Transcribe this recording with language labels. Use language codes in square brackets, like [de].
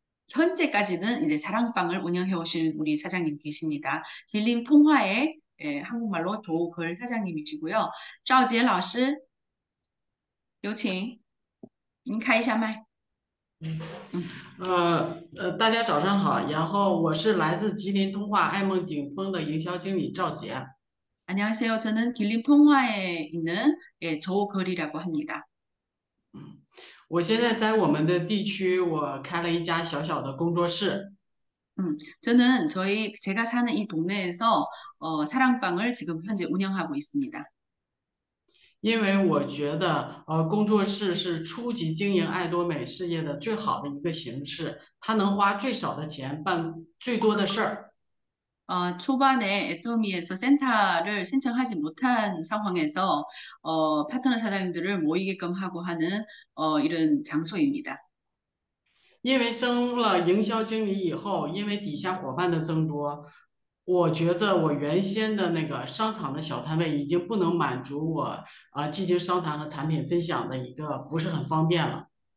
[ko] 현재까지는 이제 사랑방을 운영해 오신 우리 사장님 계십니다. 빌림 통화에 한국말로 조글 사장님이시고요. [zh] 赵杰 老师, 有请您开一下麦。大家早上好，然后我是来自吉林通话爱梦顶峰的营销经理赵杰。 [ko] 안녕하세요. 저는 길림 통화에 있는 조글이라고 합니다. [zh] 我现在在我们的地区，我开了一家小小的工作室。 [ko] 저는 저희 제가 사는 이 동네에서 사랑방을 지금 현재 운영하고 있습니다. [zh] 因为我觉得，工作室是初级经营爱多美事业的最好的一个形式，它能花最少的钱，办最多的事儿。 [ko] 초반에 애터미에서 센터를 신청하지 못한 상황에서 파트너 사장님들을 모이게끔 하고 하는 이런 장소입니다. [zh] 因为升了营销经理以后，因为底下伙伴的增多。我觉着我原先的那个商场的小摊位已经不能满足我进行商谈和产品分享的一个不是很方便了。